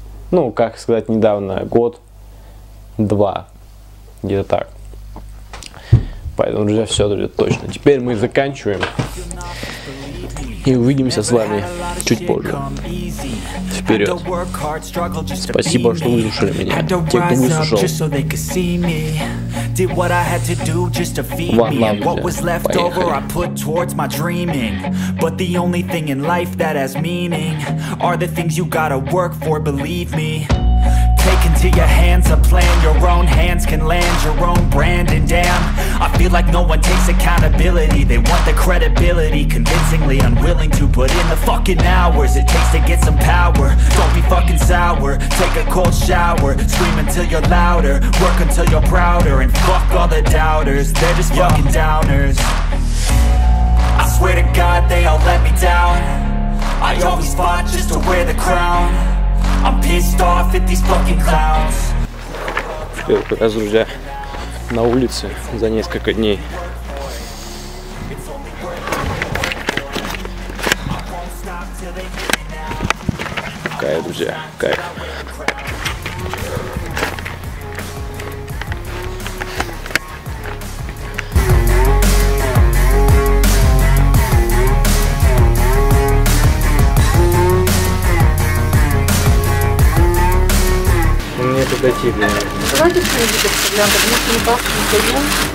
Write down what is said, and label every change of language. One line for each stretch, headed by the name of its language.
Russian: Ну, как сказать недавно, год-два, где-то так. Поэтому, друзья, все, друзья, точно. Теперь мы заканчиваем. И увидимся с вами чуть позже. Вперед. Спасибо, что выслушали меня. Те, кто выслушал.
English: Did what I had to do just to feed me. And what was left over I put towards my dreaming. But the only thing in life that has meaning are the things you gotta work for, believe me. Take into your hands a plan. Your own hands can land your own brand. And damn, I feel like no one takes accountability. They want the credibility, convincingly unwilling to put in the fucking hours it takes to get some power. Don't be fucking sour. Take a cold shower. Scream until you're louder. Work until you're prouder. And fuck all the doubters. They're just fucking downers. I swear to God they all let me down. I always fought just to wear the crown. I'm pissed off at these fucking clowns.
Russian: Вперед, как раз, друзья, на улице за несколько дней. Кайф, друзья, кайф. Давайте что-нибудь обсудим, потому что не пахнет, не пойдем.